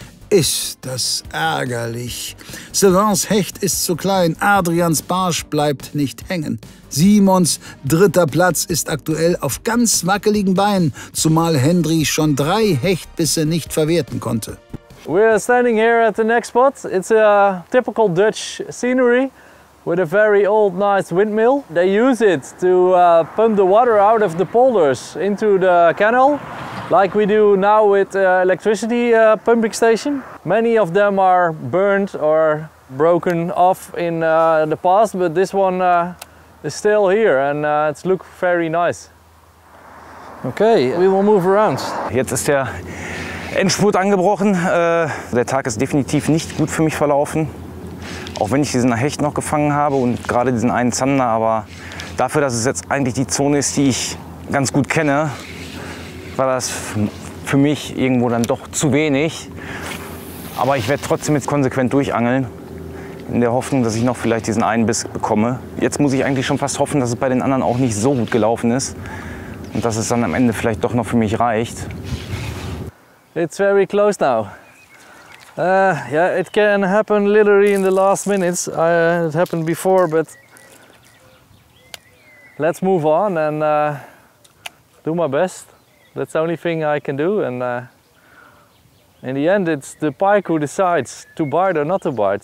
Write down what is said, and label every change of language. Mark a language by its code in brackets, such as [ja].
[de] Ist das ärgerlich. Sylvains Hecht ist zu klein. Adrians Barsch bleibt nicht hängen. Simons dritter Platz ist aktuell auf ganz wackeligen Beinen, zumal Henry schon 3 Hechtbisse nicht verwerten konnte. [en] We're standing here at the next spot. It's a typical Dutch scenery with a very old nice windmill. They use it to pump the water out of the polders into the canal, like we do now with electricity pumping station. Many of them are burnt or broken off in the past, but this one is still here and it looks very nice. Okay, we will move around. [de] Jetzt ist der Endspurt angebrochen. Der Tag ist definitiv nicht gut für mich verlaufen. Auch wenn ich diesen Hecht noch gefangen habe und gerade diesen einen Zander, aber dafür, dass es jetzt eigentlich die Zone ist, die ich ganz gut kenne, war das für mich irgendwo dann doch zu wenig. Aber ich werde trotzdem jetzt konsequent durchangeln, in der Hoffnung, dass ich noch vielleicht diesen einen Biss bekomme. Jetzt muss ich eigentlich schon fast hoffen, dass es bei den anderen auch nicht so gut gelaufen ist und dass es dann am Ende vielleicht doch noch für mich reicht. [en] It's very close now. Yeah, it can happen literally in the last minutes. It happened before, but let's move on and do my best. That's the only thing I can do. And in the end, it's the pike who decides to bite or not to bite.